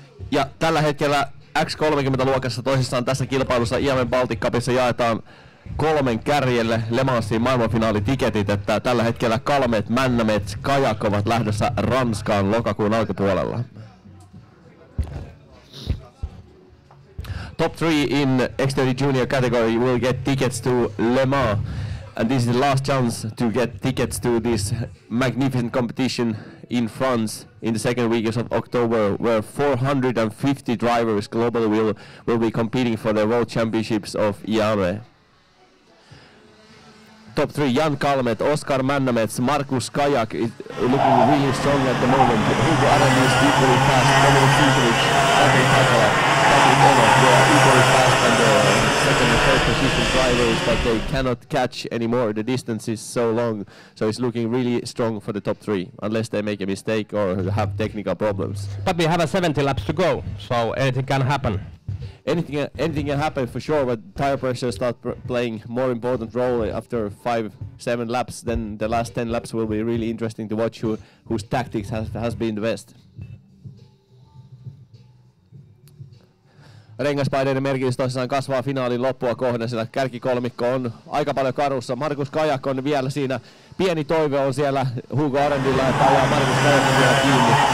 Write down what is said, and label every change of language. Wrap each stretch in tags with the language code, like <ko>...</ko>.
<fi>Ja tällä hetkellä X30-luokassa toisissaan tässä kilpailussa IAME Baltic Cupissa jaetaan kolmen kärjelle Le Mansin maailmanfinaalitiketit, että tällä hetkellä Kalmet, Männämets, Kajak ovat lähdössä Ranskaan lokakuun alkupuolella.</fi> <en>Top 3 in X30 Junior category will get tickets to Le Mans. And this is the last chance to get tickets to this magnificent competition in France in the second week of October, where 450 drivers globally will be competing for the World Championships of IAME. Top 3, Jan Kalmet, Oskar Männämets, Markus Kajak is looking really strong at the moment. Who the other is equally fast, Dominic Kukulic, Patrick Hakala, Patrick Hakala, they are equally fast and second and third position drivers, but they cannot catch anymore. The distance is so long, so it's looking really strong for the top 3, unless they make a mistake or have technical problems. But we have 70 laps to go, so anything can happen. Anything can happen for sure, but tire pressure starts playing more important role after 5-7 laps. Then the last 10 laps will be really interesting to watch whose tactics has been the best.</en> <fi>Rengaspaineiden merkitys tosiaan kasvaa finaalin loppua kohden, sillä kärkikolmikko on aika paljon karussa. Markus Kajak on vielä siinä. Pieni toive on siellä Hugo Arendilla, että ajaa Markus Kajak vielä kiinni.</fi>